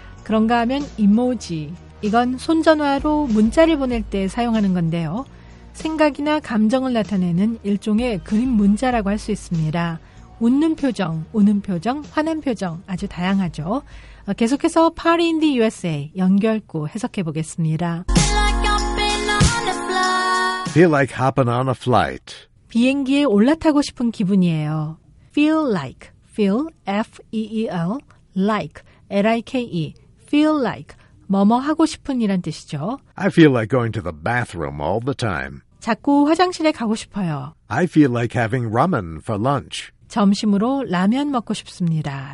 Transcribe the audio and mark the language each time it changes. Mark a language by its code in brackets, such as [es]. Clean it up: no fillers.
[ko] 그런가 하면 이모지, 이건 손전화로 문자를 보낼 때 사용하는 건데요. 생각이나 감정을 나타내는 일종의 그림 문자라고 할 수 있습니다. 웃는 표정, 우는 표정, 화난 표정 아주 다양하죠. 계속해서 Party in the USA 연결구 해석해 보겠습니다. [en] Feel like I've been on a flight. Feel like hopping on a flight. [ko] 비행기에 올라타고 싶은 기분이에요. [en] Feel like, feel, F-E-E-L, like, L-I-K-E. [ko] Feel like, 뭐뭐 하고 싶은 이란 뜻이죠. [en] I feel like going to the bathroom all the time. [ko] 자꾸 화장실에 가고 싶어요. [en] I feel like having ramen for lunch. [ko] 점심으로 라면 먹고 싶습니다.